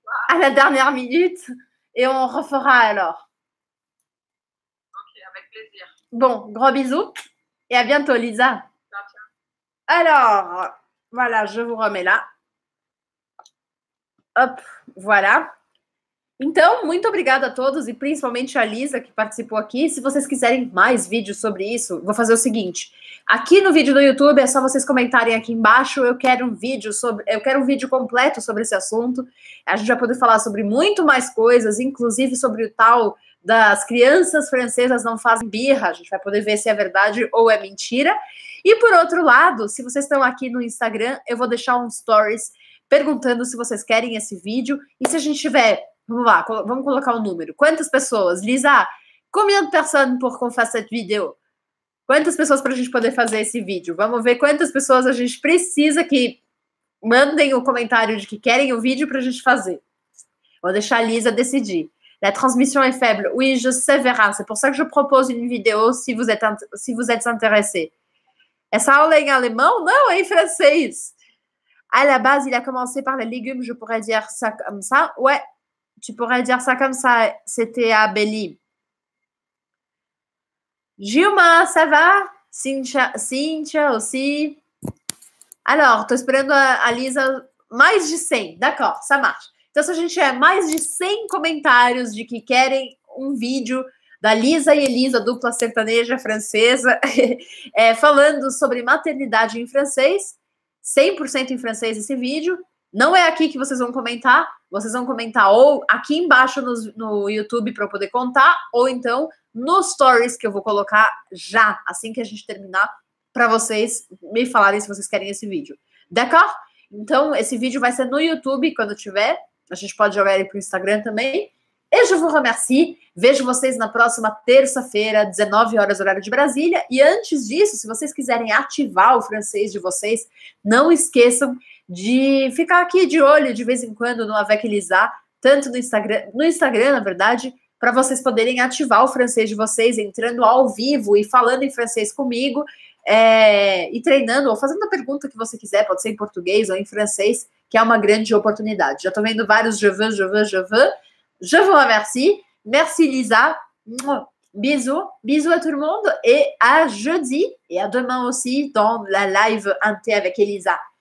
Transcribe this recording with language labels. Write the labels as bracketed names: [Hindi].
[French] Merci à toi. À la dernière minute. Et on refera alors. Ok, avec plaisir. Bon, gros bisous. Et à bientôt, Lisa. Merci. Alors, voilà, je vous remets là. Hop, voilà. [Portuguese] Então, muito obrigada a todos e principalmente a Lisa que participou aqui. Se vocês quiserem mais vídeos sobre isso, vou fazer o seguinte. Aqui no vídeo do YouTube é só vocês comentarem aqui embaixo. Eu quero um vídeo completo sobre esse assunto. A gente vai poder falar sobre muito mais coisas, inclusive sobre o tal das crianças francesas não fazem birra. A gente vai poder ver se é verdade ou é mentira. E por outro lado, se vocês estão aqui no Instagram, eu vou deixar um stories perguntando se vocês querem esse vídeo. E se a gente tiver, vamos lá, vamos colocar um número. Quantas pessoas? [French] Lisa, combien de personnes pour qu'on fasse cette vidéo? [Portuguese] Quantas pessoas para a gente poder fazer esse vídeo? Vamos ver quantas pessoas a gente precisa que mandem o comentário de que querem o vídeo para a gente fazer. Vou deixar a Lisa decidir. [French] La transmission est faible. Oui, je sais, Vera. C'est pour ça que je propose une vidéo si vous êtes intéressé. [Portuguese] Essa aula é em alemão? Não, é em francês. [French] À la base, il a commencé par les légumes, je pourrais dire ça comme ça. Ouais, [Portuguese] tu pourrais dire ça comme ça, c'était à Belly. Gilma, ça va? Cíntia aussi. Alors, tô esperando a Lisa. [French] Mais de 100, d'accord, ça marche. [Portuguese] Então, se a gente tiver mais de 100 comentários de que querem um vídeo da Lisa e Elisa, dupla sertaneja francesa, falando sobre maternidade em francês, 100% em francês esse vídeo, não é aqui que vocês vão comentar, vocês vão comentar ou aqui embaixo no YouTube para eu poder contar, ou então nos stories que eu vou colocar já, assim que a gente terminar, para vocês me falarem se vocês querem esse vídeo. [French] D'accord? [Portuguese] Então, esse vídeo vai ser no YouTube, quando tiver. A gente pode jogar ele para o Instagram também. Et je vous remercie. Vejo vocês na próxima terça-feira, 19 horas, horário de Brasília. E antes disso, se vocês quiserem ativar o francês de vocês, não esqueçam de ficar aqui de olho de vez em quando no Avec Elisa, tanto no Instagram, na verdade, para vocês poderem ativar o francês de vocês, entrando ao vivo e falando em francês comigo. E treinando, ou fazendo a pergunta que você quiser, pode ser em português ou em francês, que é uma grande oportunidade. Já tô vendo vários [French] je veux, je veux, je veux. [Portuguese] Je vous remercie. Merci, Lisa. Bisous. Bisous à tout le monde. Et à jeudi, et à demain aussi, dans la live Inté avec Elisa.